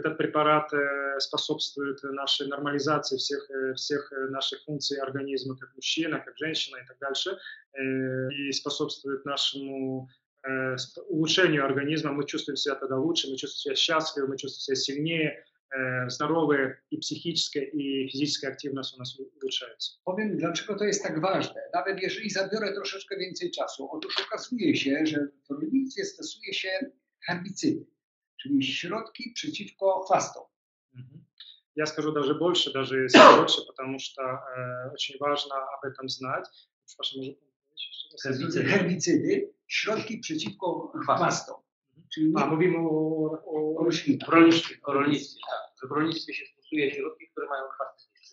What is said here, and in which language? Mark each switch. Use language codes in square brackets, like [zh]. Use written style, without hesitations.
[ru] Этот препарат способствует нашей нормализации всех наших функций организма, как мужчина, как женщина и так дальше, и способствует нашему улучшению организма, мы чувствуем себя тогда лучше, мы чувствуем себя счастливее, мы чувствуем себя сильнее, здоровые и психическая, и физическая активность у нас улучшается. [pl] Powiem, dlaczego to jest tak ważne. Nawet jeżeli zabiorę troszeczkę więcej czasu, otóż okazuje się, że w rolnictwie stosuje się herbicydy, czyli środki przeciwko chwastom. [ru] Ja скажу даже больше, даже [pl] jest [ru] лучше, потому что очень [pl] ważne, aby tam znać. Przepraszam, może herbicydy, środki przeciwko chwastom. A mówimy o rolnictwie. Tak. W rolnictwie się stosuje środki, które mają chwasty.